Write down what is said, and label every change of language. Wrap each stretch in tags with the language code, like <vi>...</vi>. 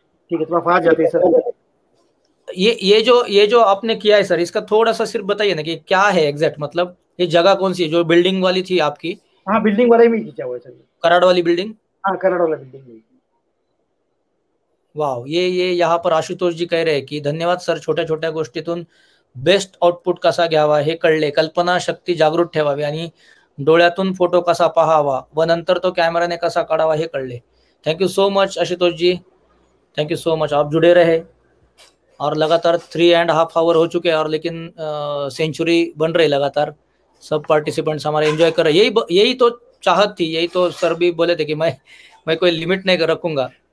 <hi>ठीक है थोड़ा फास्ट जाते हैं सर। ये जो आपने किया है सर, इसका थोड़ा सा सिर्फ बताइए ना कि क्या है एग्जैक्ट, मतलब ये जगह कौन सी है, जो बिल्डिंग वाली थी आपकी, कराड़ हाँ बिल्डिंग वाला ही में खींचा हुआ है सर। हाँ वाली बिल्डिंग। कराड़ वाला बिल्डिंग में। वाह, ये यहाँ पर आशुतोष जी कह रहे हैं कि</hi> <mr>धन्यवाद सर, छोटे छोटे गोष्टीतून बेस्ट आउटपुट कसा घ्यावा हे कळले, कल्पना शक्ती जागृत ठेवावी, आणि डोळ्यातून फोटो कसा पहावा व नंतर तो कॅमेराने कसा काढावा हे कळले।</mr> <en>thank you so much</en> <hi>आशुतोष जी, थँक्यू सो मच, आप जुड़े रहे और लगातार 3.5 आवर हो चुके, और लेकिन सेंचुरी बन रही लगातार, सब पार्टिसिपेंट्स हमारे एंजॉय कर रहे, यही यही तो चाहत थी, यही तो सर भी बोले थे कि मैं कोई लिमिट नहीं कर रखूंगा।</hi>